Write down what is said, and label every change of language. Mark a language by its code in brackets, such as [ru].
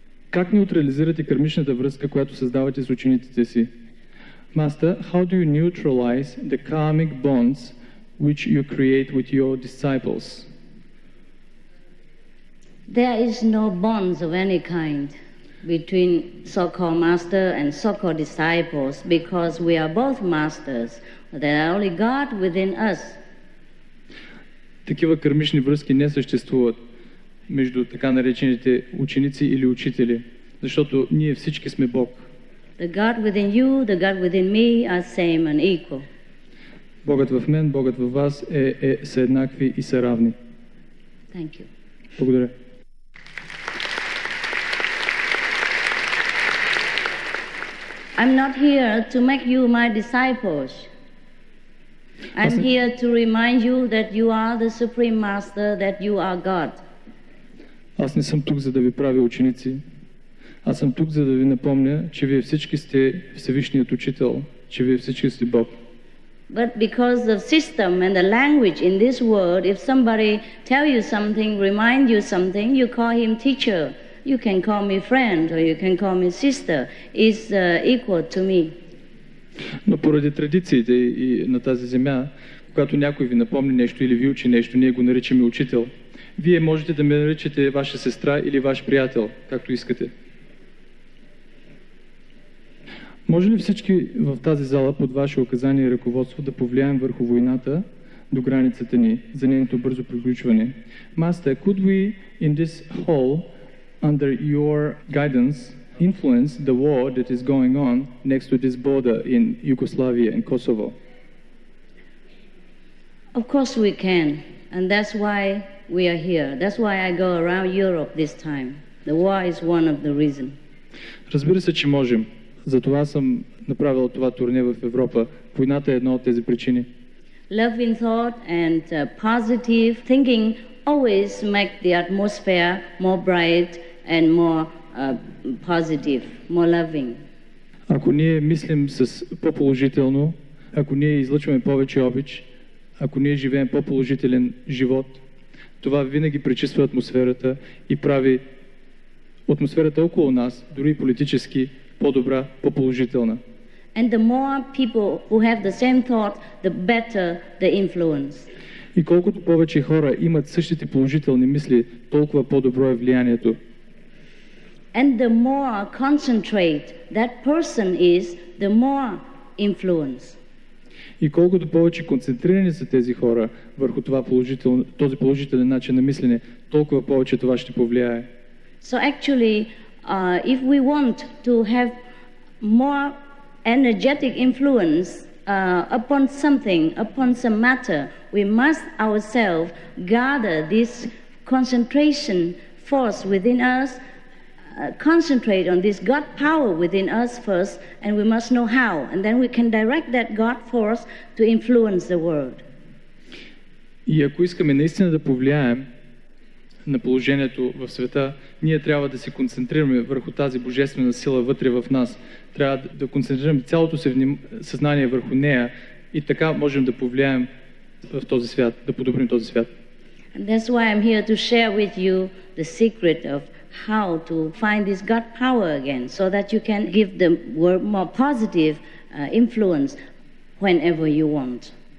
[bg] Как неутрализирате кармичната връзка, която създавате с учениците си? [en] Master, how do you neutralize the karmic bonds which you create with your disciples? There is no bonds of any kind between so-called master and so-called disciples because we are both masters. There are only God within us. [bg] Такива кармични връзки не съществуват между така наречените ученици или учители, защото ние всички сме Бог. [en] The God within you, the God within me are same and equal. [bg] Богът в мен, Богът в вас е са еднакви и са равни. [en] Thank you. [bg] Благодаря. [en] I'm not here to make you my disciples. I'm here to remind you that you are the Supreme Master, that you are God. [bg] Аз не съм тук, за да ви правя ученици. Аз съм тук, за да ви напомня, че вие всички сте Всевишният Учител, че вие всички сте Бог. [en] But because of system and the language in this world, if somebody tell you something, remind you something, you call him teacher. You can call me friend or you can call me sister. It's equal to me. [bg] Но поради традициите и на тази земя, когато някой ви напомни нещо или ви учи нещо, ние го наричаме Учител. Вие можете да ме наричате ваша сестра или ваш приятел, както искате. Може ли всички в тази зала под ваше указание и ръководство да повлияем върху войната до границата ни за нейното бързо приключване? [en] Master, could we in this hall, under your guidance, influence the war that is going on next to this border in Yugoslavia and Kosovo? Of course we can, and that's why we are here. That's why I go around Europe this time. The war is one of the reasons. [bg] Разбира се, че можем. Затова съм направил това турне в Европа. Войната е една от тези причини. [en] Love in thought and positive thinking always make the atmosphere more bright and more positive, more loving. [bg] Ако ние мислим с по-положително, ако ние излъчваме повече обич, ако ние живеем по-положителен живот, това винаги пречиства атмосферата и прави атмосферата около нас, дори политически, по-добра, по-положителна. [en] And the more people who have the same thought, the better the influence. [bg] И колкото повече хора имат същите положителни мисли, толкова по-добро е влиянието. [en] And the more concentrate that person is, the more influence. [bg] И колкото повече концентрирани са тези хора върху това положително, този положителен начин на мислене, толкова повече това ще повлияе. [en] So actually, if we want to have more energetic influence upon something, upon some matter, we must ourselves gather this concentration force within us, concentrate on this God power within us first, and we must know how, and then we can direct that God force to influence the world. [bg] И ако искаме наистина да повлияем на положението в света, ние трябва да се концентрираме върху тази божествена сила вътре в нас. Трябва да концентрираме цялото си съзнание върху нея и така можем да повлияем в този свят, да подобрим този свят. [en] And that's why I'm here to share with you the secret of how to find this God power again, so that you can give the world more positive influence whenever you want.